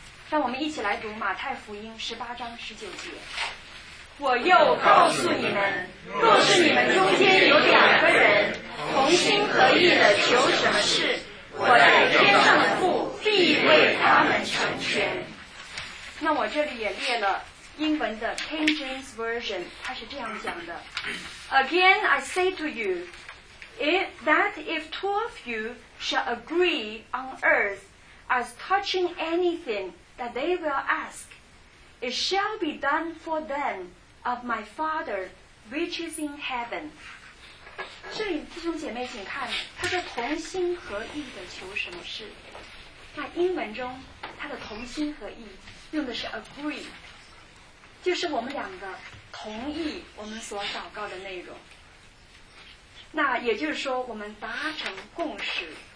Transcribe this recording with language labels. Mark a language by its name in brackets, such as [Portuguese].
[Chinese] 让我们一起来读马太福音18章19节。我又告诉你们，若是你们中间有两个人同心合意的求什么事，我在天上的父必为他们成全。那我这里也列了英文的 [English] King James Version， [Chinese] 它是这样讲的 [English] ：Again, I say to you, if 2 of you shall agree on earth as touching anything that they will ask, it shall be done for them of my Father which is in heaven。 [Chinese] 这里弟兄姐妹，请看，他说同心合意的求什么事？那英文中他的同心合意用的是 agree。就是我们两个同意我们所祷告的内容，那也就是说我们达成共识。